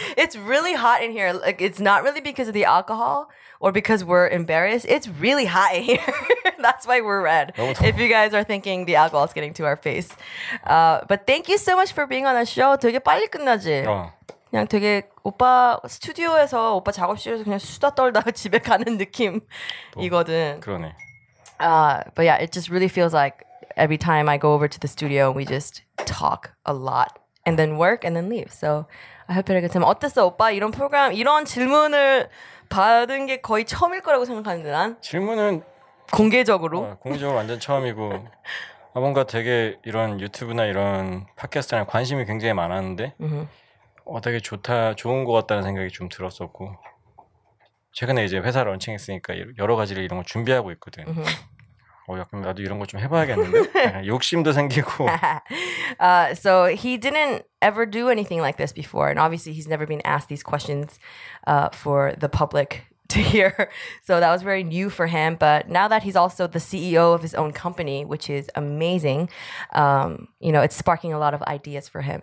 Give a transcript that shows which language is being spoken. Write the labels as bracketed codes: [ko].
[en] It's really hot in here. Like, it's not really because of the alcohol or because we're embarrassed. It's really hot in here. That's why we're red. If you guys are thinking the alcohol is getting to our face. But thank you so much for being on the show. [ko] 되게 빨리 끝나지. 어. 그냥 되게 오빠 스튜디오에서 오빠 작업실에서 그냥 수다 떨다가 집에 가는 느낌이거든. 그러네. [en] But yeah, it just really feels like every time I go over to the studio, we just talk a lot and then work and then leave. So I hope you had a good time. [ko] 어땠어, 오빠? 이런 프로그램, 이런 질문을 받은 게 거의 처음일 거라고 생각하는데 난? 질문은 공개적으로? 아, 공개적으로 완전 처음이고 아, 뭔가 되게 이런 유튜브나 이런 팟캐스트나 관심이 굉장히 많았는데 어, 되게 좋다, 좋은 것 같다는 생각이 좀 들었었고 최근에 이제 회사 런칭했으니까 여러 가지를 이런 걸 준비하고 있거든. 어, 약간 나도 이런 거 좀 해봐야겠는데. 욕심도 생기고. [en] So he didn't ever do anything like this before, and obviously he's never been asked these questions for the public to hear. So that was very new for him. But now that he's also the CEO of his own company, which is amazing, you know, it's sparking a lot of ideas for him.